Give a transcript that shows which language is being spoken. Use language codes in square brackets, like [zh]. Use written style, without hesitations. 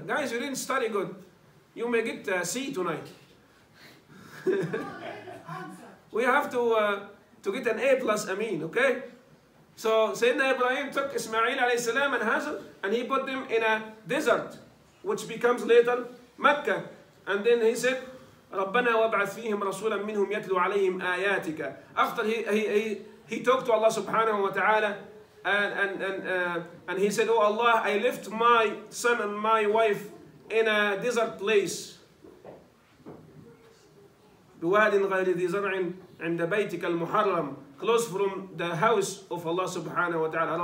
[en] Guys, you didn't study good. You may get C tonight. We have to get an A plus Ameen, okay? So Sayyidina Ibrahim took Ismail alayhi salam and Hazar, and he put them in a desert, which becomes later Mecca. And then he said, [ar] رَبَّنَا وَابْعَثْ فِيهِمْ رَسُولًا مِّنْهُمْ يَتْلُوا عَلَيْهِمْ آيَاتِكَ. [en] After he talked to Allah subhanahu wa ta'ala, and he said, oh Allah, I left my son and my wife in a desert place. [ar] بِوَادٍ غَيْرِ ذِي زَرْعٍ عِنْدَ بَيْتِكَ الْمُحَرَّمِ, [en] close from the house of Allah subhanahu wa ta'ala.